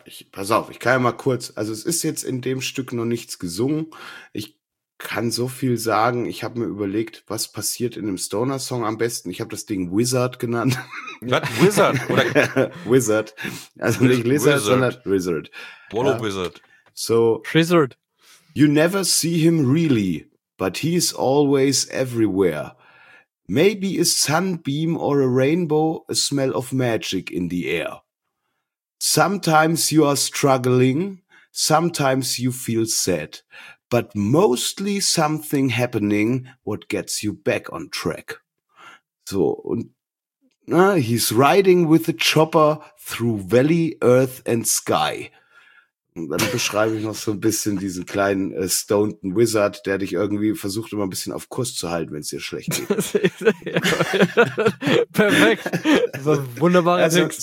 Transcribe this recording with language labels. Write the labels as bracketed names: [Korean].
[German] Pass auf, ich kann ja mal kurz. Also es ist jetzt in dem Stück noch nichts gesungen. Ich kann so viel sagen. Ich habe mir überlegt, was passiert in einem Stoner-Song am besten. Ich habe das Ding Wizard genannt. Was? Wizard? Oder? Wizard. Also nicht Lizard, sondern Wizard. Bolo Wizard. So. Wizard. [English] You never see him really. But he's always everywhere. Maybe a sunbeam or a rainbow, a smell of magic in the air. Sometimes you are struggling, sometimes you feel sad, but mostly something happening, what gets you back on track. [German] So, und [English] he's riding with a chopper through valley, earth and sky. [German] Und dann beschreibe ich noch so ein bisschen diesen kleinen stoneden Wizard, der dich irgendwie versucht, immer ein bisschen auf Kurs zu halten, wenn es dir schlecht geht. Perfekt. So ein wunderbarer Text.